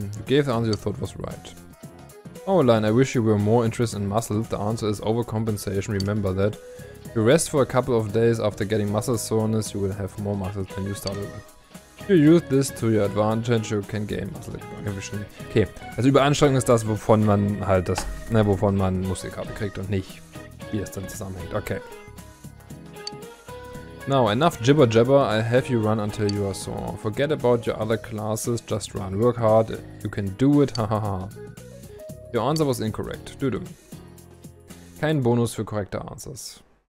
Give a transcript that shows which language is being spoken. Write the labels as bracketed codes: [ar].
[en] You gave the answer you thought was right. Oh, Lion, I wish you were more interested in muscle. The answer is overcompensation, remember that. You rest for a couple of days after getting muscle soreness, you will have more muscle than you started with. If you use this to your advantage, you can gain muscle condition. [de] Okay, also Überanstrengung ist das, wovon man halt das, ne, wovon man Muskelkater kriegt und nicht, wie es dann zusammenhängt. Okay. [en] Now, enough jibber jabber, I'll have you run until you are sore. Forget about your other classes, just run. Work hard, you can do it, hahaha. Your answer was incorrect. [de] Düdüm. Kein Bonus für korrekte Answers.